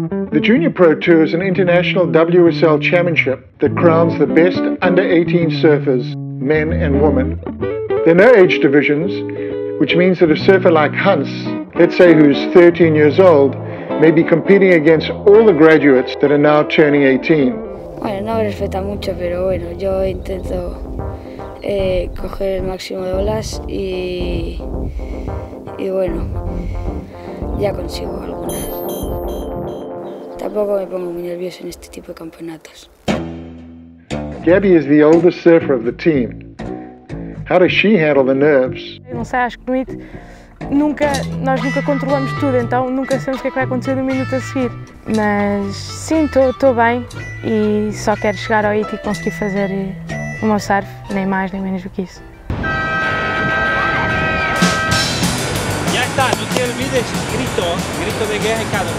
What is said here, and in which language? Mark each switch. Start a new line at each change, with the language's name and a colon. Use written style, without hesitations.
English: The Junior Pro Tour is an international WSL championship that crowns the best under 18 surfers, men and women. There are no age divisions, which means that a surfer like Hans, let's say who's 13 years old, may be competing against all the graduates that are now turning 18.
Spanish: Bueno, no respeta mucho, pero bueno, yo intento coger el máximo de olas y bueno, ya consigo algunas. Tampoco me pongo muy nervioso en este tipo de campeonatos.
English: Gabby is the oldest surfer of the team. How does she handle the nerves?
Portuguese: Não sei, acho que no IT nós nunca controlamos tudo, então nunca sabemos o que é que vai acontecer no minuto a seguir. Mas sim, estou bem e só quero chegar ao IT e conseguir fazer o meu surf, nem mais nem menos do que isso. Já está, não te olvides, grito de guerra em casa.